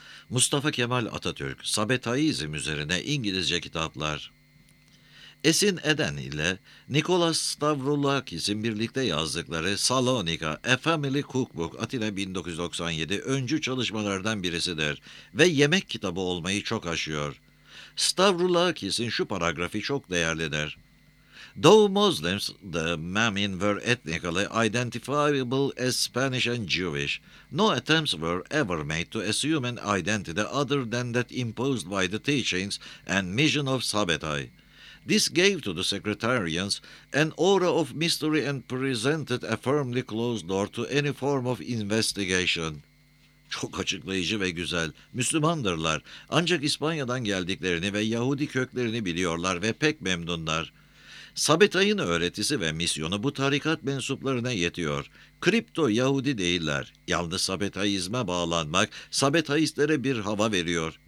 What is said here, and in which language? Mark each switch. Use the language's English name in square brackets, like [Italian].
[Turkish] Mustafa Kemal Atatürk, Sabetaizm üzerine İngilizce kitaplar. Esin Eden ile Nikolas Stavroulakis'in birlikte yazdıkları Salonika, A Family Cookbook, Atina 1997 öncü çalışmalardan birisidir ve yemek kitabı olmayı çok aşıyor. Stavroulakis'in şu paragrafı çok değerlidir. [English] Though Muslims, the Mamin were ethnically identifiable as Spanish and Jewish, no attempts were ever made to assume an identity other than that imposed by the teachings and mission of Sabetai. This gave to the secretarians an aura of mystery and presented a firmly closed door to any form of investigation. [Turkish] Çok açıklayıcı ve güzel. Müslümandırlar. Ancak İspanya'dan geldiklerini ve Yahudi köklerini biliyorlar ve pek memnunlar. Sabetay'ın öğretisi ve misyonu bu tarikat mensuplarına yetiyor. Kripto Yahudi değiller. Yalnız Sabetayizme bağlanmak Sabetayistlere bir hava veriyor.